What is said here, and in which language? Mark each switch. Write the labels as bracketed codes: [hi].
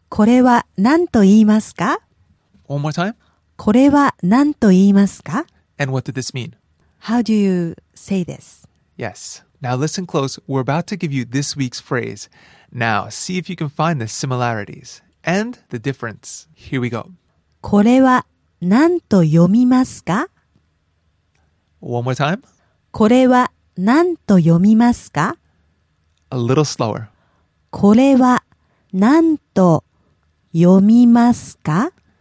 [ja] これは何と言いますか? [en] One more time. [ja] これは何と言いますか? [en] And what did this mean? How do you say this? Yes. Now listen close. We're about to give you this week's phrase. Now see if you can find the similarities and the difference. Here we go. [ja] これは何と読みますか? [en] One more time. [ja] これは何と読みますか? [en] A little slower. [ja] これは何と読みますか?